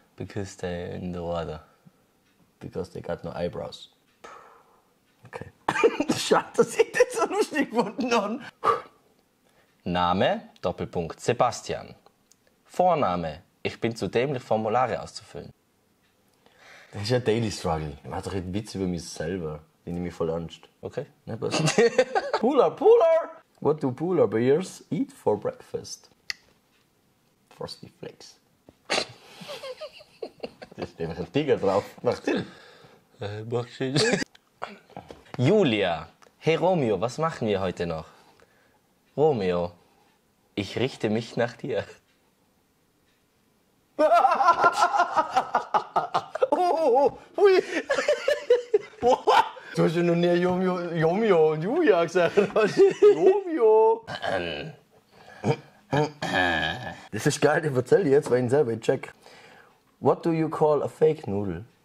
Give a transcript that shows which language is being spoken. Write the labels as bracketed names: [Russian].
[English] Because they're in the water. Because they got no eyebrows. Okay. [German] Schade, dass ich das so lustig gefunden habe. Name, Doppelpunkt, Sebastian. Vorname, ich bin zu dämlich, Formulare auszufüllen. Das ist ja Daily Struggle. Ich mache doch einen Witz über mich selber. Den nehme ich voll ernst. Okay. Ne, was? Pooler! [English] What do polar bears eat for breakfast? Frosty Flakes. [German] ist nämlich ein Tiger drauf. Macht Sinn. Macht Sinn. Julia. Hey Romeo, was machen wir heute noch? Romeo, ich richte mich nach dir. Oh, du hast ja noch nie Romeo und Julia gesagt. Romeo. Das ist geil, ich erzähle dir jetzt, weil ich ihn selber check. [English] What do you call a fake noodle?